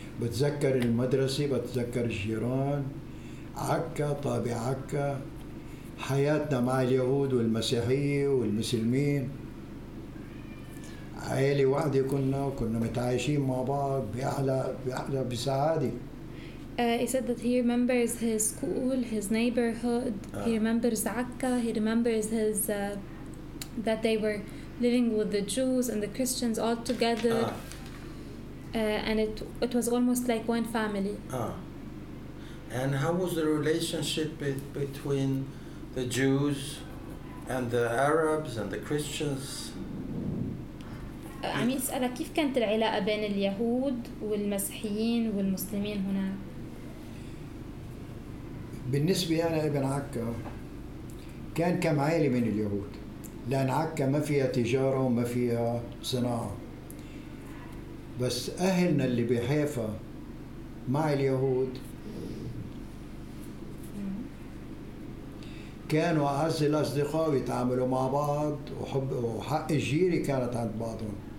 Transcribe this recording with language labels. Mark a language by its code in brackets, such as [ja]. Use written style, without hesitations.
[ar] بتذكر المدرسة بتذكر الجيران عكا طابع عكا حياتنا مع اليهود والمسيحيين والمسلمين عائلة واحدة كنا وكنا متعايشين مع بعض بأعلى بسعادة [en] He said that he remembers his school, his neighborhood He remembers Akka, he remembers his that they were living with the Jews and the Christians all together and it was almost like one family And how was the relationship between the Jews and the Arabs and the Christians [ar] عم يسألك كيف كانت العلاقة بين اليهود والمسيحيين والمسلمين هناك؟ بالنسبة أنا ابن عكا كان كم عائلة من اليهود، لأن عكا ما فيها تجارة وما فيها صناعة، بس أهلنا اللي بحيفا مع اليهود كانوا أعز الأصدقاء ويتعاملوا مع بعض، وحب وحق الجيرة كانت عند بعضهم.